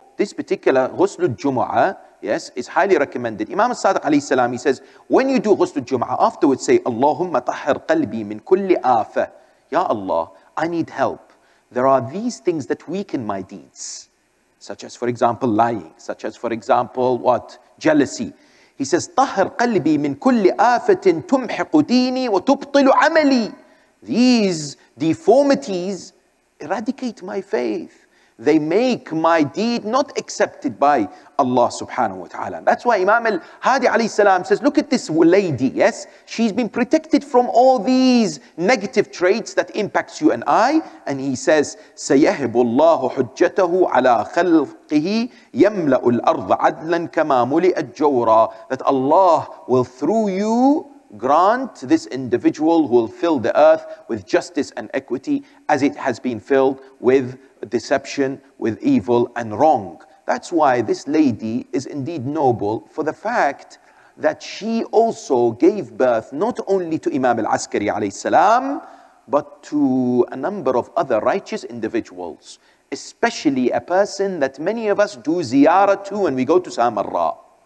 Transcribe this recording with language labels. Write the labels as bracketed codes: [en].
[en] This particular ghuslul jumu'ah, yes, is highly recommended. Imam al-Sadiq alayhi salam, he says, when you do ghuslul jumu'ah, afterwards say, [ar] Allahumma tahhir qalbi min kulli afa. [en] Ya Allah, I need help. There are these things that weaken my deeds, such as, for example, lying, such as, for example, what? Jealousy. He says, [ar] طَهْرْ قَلْبِي مِنْ كُلِّ آفَةٍ تُمْحِقُ دِينِي وَتُبْطِلُ عَمَلِي. [en] These deformities eradicate my faith. They make my deed not accepted by Allah subhanahu wa ta'ala. That's why Imam al-Hadi alayhi salam says, look at this lady, yes? She's been protected from all these negative traits that impacts you and I. And he says, [ar] سَيَهِبُ اللَّهُ حُجَّتَهُ عَلَىٰ خَلْقِهِ يَمْلَأُ الْأَرْضَ عَدْلًا كَمَا مُلِئَتْ جَوْرًا. [en] That Allah will, through you, grant this individual who will fill the earth with justice and equity as it has been filled with deception, with evil and wrong. That's why this lady is indeed noble for the fact that she also gave birth not only to Imam al-Askari alayhi salam, but to a number of other righteous individuals, especially a person that many of us do ziyarah to when we go to Samarra.